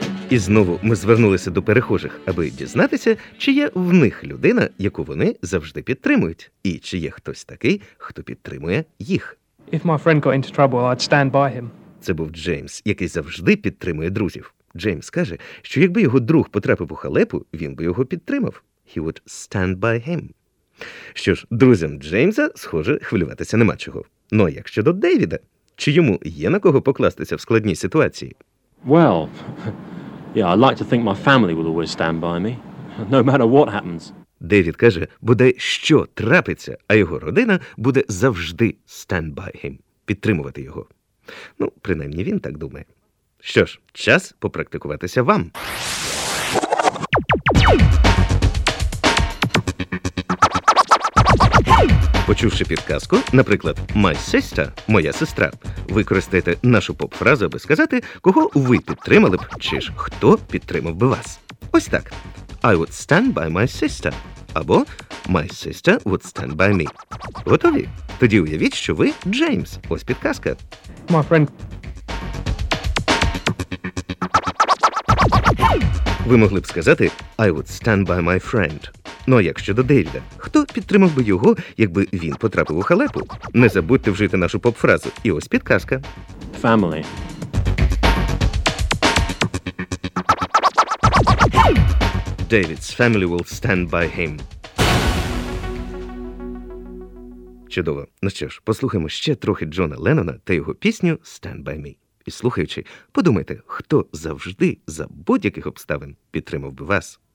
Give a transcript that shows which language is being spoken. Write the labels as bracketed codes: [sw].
[uk] І знову ми звернулися до перехожих, аби дізнатися, чи є в них людина, яку вони завжди підтримують, і чи є хтось такий, хто підтримує їх. [en] If my friend got into trouble, I'd stand by him. [uk] Це був Джеймс, який завжди підтримує друзів. Джеймс каже, що якби його друг потрапив у халепу, він би його підтримав. [en] He would stand by him. [uk] Що ж, друзям Джеймса, схоже, хвилюватися нема чого. Ну, а як щодо Дейвіда? Чи йому є на кого покластися в складній ситуації? [en] Well, yeah, I'd like to think my family will always stand by me, no matter what happens. [uk] Дейвід каже, буде що трапиться, а його родина буде завжди [en] stand by him, [uk] підтримувати його. Ну, принаймні він так думає. Що ж, час попрактикуватися вам. Почувши підказку, наприклад, [en] «my sister» [uk] – «моя сестра», використайте нашу поп-фразу, аби сказати, кого ви підтримали б, чи ж хто підтримав би вас. [en] Ось так. «I would stand by my sister» [uk] або [en] «my sister would stand by me». [uk] Готові? Тоді уявіть, що ви Джеймс. Ось підказка. [en] «My friend». [uk] Ви могли б сказати [en] «I would stand by my friend». [uk] Ну, а як щодо Девіда? Хто підтримав би його, якби він потрапив у халепу? Не забудьте вжити нашу поп-фразу. І ось підказка. [en] Family. David's family will stand by him. [uk] Чудово. Ну що ж, послухаємо ще трохи Джона Леннона та його пісню «Stand by me». І слухаючи, подумайте, хто завжди, за будь-яких обставин, підтримав би вас.